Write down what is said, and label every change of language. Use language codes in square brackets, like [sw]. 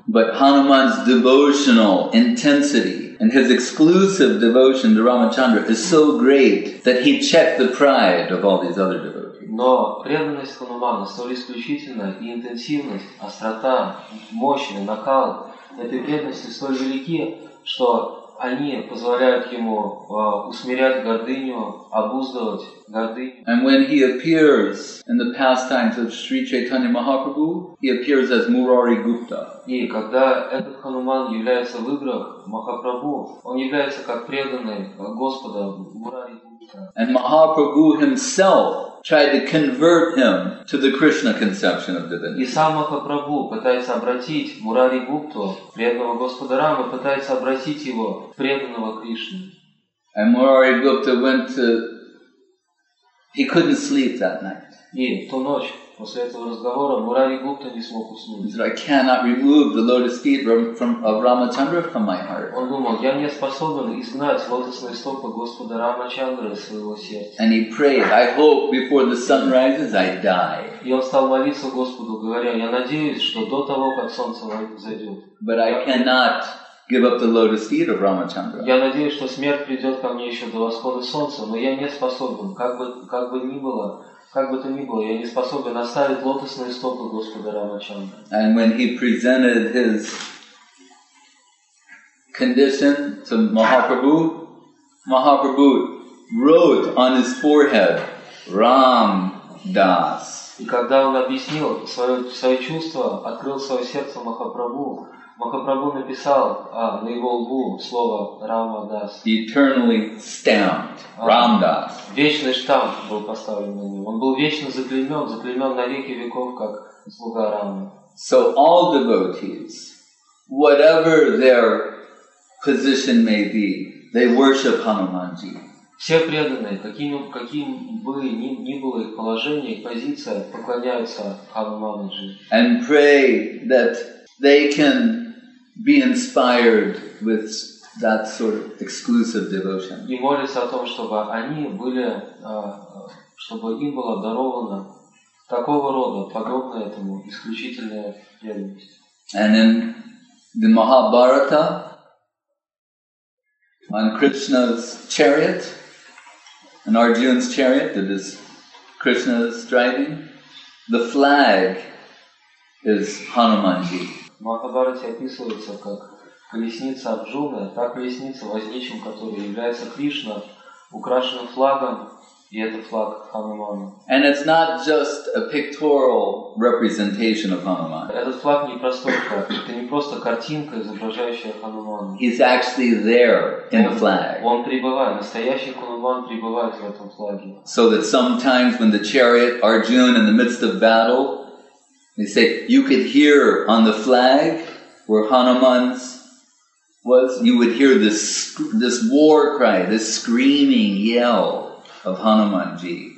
[en] But Hanuman's devotional intensity and his exclusive devotion to Ramachandra is so great that he checked the pride of all these other devotees. [ru] Но преданность Хануману столь исключительна, и интенсивность, острота, мощь, накал этой преданности столь велики, что они позволяют ему усмирять гордыню, обуздывать гордыню. [en] And when he appears in the pastimes of Sri Chaitanya Mahaprabhu, he appears as Murari Gupta. [ru] И когда этот Хануман является в играх Махапрабху, он является как преданный Господа Мурари Гупта. [en] And Mahaprabhu himself tried to convert him to the Krishna conception of divinity. [ru] И сам Махапрабху пытается обратить Мурари Гупту, преданного Господа Рамы, пытается обратить его в преданного Кришны. [en] And Мурари Гупта went to... He couldn't sleep that night. [ru] И в ту ночь, после этого разговора, Мурари Гупта не смог уснуть. [en] He said, I cannot remove the lotus feet of Ramachandra from my heart. [ru] Он думал, я не способен изгнать лотосные стопы Господа Рамачандры из своего сердца. [en] And he prayed, I hope before the sun rises I die. [ru] И он стал молиться Господу, говоря, я надеюсь, что до того, как солнце взойдет. [en] But I cannot give up the lotus feet of Ramachandra. [ru] Я надеюсь, что смерть придет ко мне еще до восхода солнца, но я не способен, как бы ни было, как бы то ни было, я не способен оставить лотосные стопы Господа Рамачандры. [en] And when he presented his condition to Mahaprabhu, Mahaprabhu wrote on his forehead, Ram Das. [ru] И когда он объяснил свое чувство, открыл свое сердце Махапрабху, Махапрабху написал на его лбу слово Рама Дас. [en] Eternally stamped. Рам Дас. [ru] Вечный штамп был поставлен на него. Он был вечно заклеймен на веки веков как слуга Рамы. [en] So all devotees, whatever their position may be, they worship Hanumanji. [ru] Все преданные, каким бы ни было их положение, их позиция, поклоняются Хануманджи. [en] And pray that they can be inspired with that sort of exclusive devotion. [ru] И молится о том, чтобы они были, чтобы им было даровано такого рода, подобное этому, исключительная преданность. [en] And in the Mahabharata, on Krishna's chariot, on Arjuna's chariot that is Krishna's driving, the flag is Hanumanji. [ru] В Махабхарате описывается как колесница Арджуны, та колесница, возничим которой является Кришна, украшена флагом, и это флаг Ханумана. [en] And it's not just a pictorial representation of Hanuman. [ru] Этот флаг не просто флаг, это не просто картинка, изображающая Ханумана. [en] He's actually there in the flag. [ru] Он пребывает, настоящий Хануман пребывает в этом флаге. [en] So that sometimes when the chariot, Arjuna, in the midst of battle, they say, you could hear on the flag where Hanuman's was, you would hear this war cry, this screaming yell of Hanumanji.